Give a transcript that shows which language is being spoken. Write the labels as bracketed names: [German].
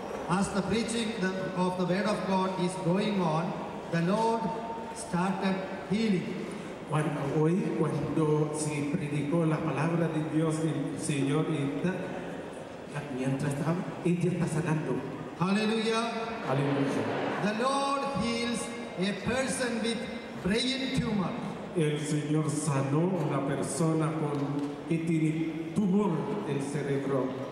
[English] as the preaching of the word of God is going on, the Lord started healing. [Spanish] Cuando se predicó la palabra de Dios, el Señor está, mientras estaba, ella está sanando. [English] Hallelujah. Hallelujah. The Lord heals a person with brain tumor. [Spanish] El Señor sanó una persona con que tiene tumor del cerebro.